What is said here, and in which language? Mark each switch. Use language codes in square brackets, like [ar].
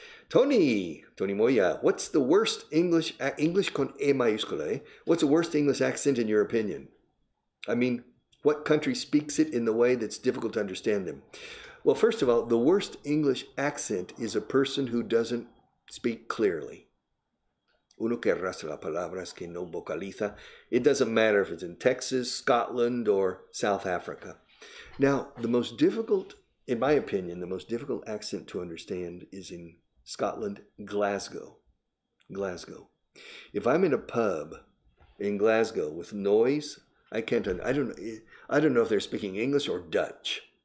[en] Tony Moya, what's the worst English [es] con E mayúscula, [en] eh? What's the worst English accent in your opinion? I mean, what country speaks it in the way that's difficult to understand them? Well, first of all, the worst English accent is a person who doesn't speak clearly. [es] Uno que arrastra las palabras que no vocaliza. [en] It doesn't matter if it's in Texas, Scotland, or South Africa. Now, the most difficult, in my opinion, the most difficult accent to understand is in Scotland, Glasgow. If I'm in a pub in Glasgow with noise, I don't know if they're speaking English or Dutch.